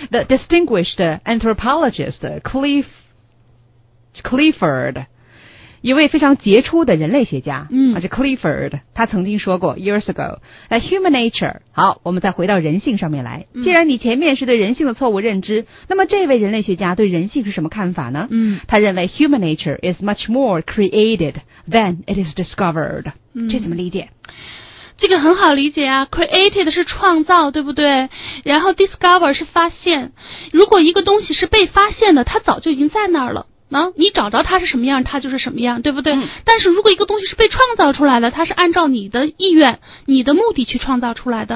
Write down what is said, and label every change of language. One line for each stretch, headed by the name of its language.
English: ，The distinguished anthropologist Clifford，
Chinese: 一位非常杰出的人类学家，嗯，啊，这 Clifford 他曾经说过
English: years ago that human nature，
Chinese: 好，我们再回到人性上面来。既然你前面是对人性的错误认知，那么这位人类学家对人性是什么看法呢？嗯，他认为
English: human nature is much more created than it is discovered。
Chinese: 嗯，这怎么理解？这个很好理解啊， created 是创造，对不对？然后 discover 是发现。如果一个东西是被发现的，它早就已经在那儿了。你找着它是什么样，它就是什么样，对不对？嗯，但是如果一个东西是被创造出来的，它是按照你的意愿、你的目的去创造出来的，